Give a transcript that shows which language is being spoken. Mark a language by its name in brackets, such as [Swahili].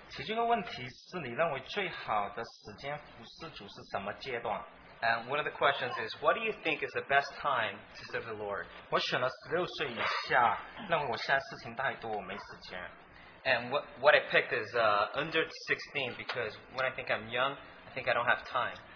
[Chinese] 其中一个问题是你认为最好的时间服侍主是什么阶段？ [English] And one of the questions is, what do you think is the best time to serve the Lord? [Chinese] 我选了16岁以下，认为我现在事情太多，我没时间。 [English] And what I picked is under 16, because when I think I'm young, I think I don't have time.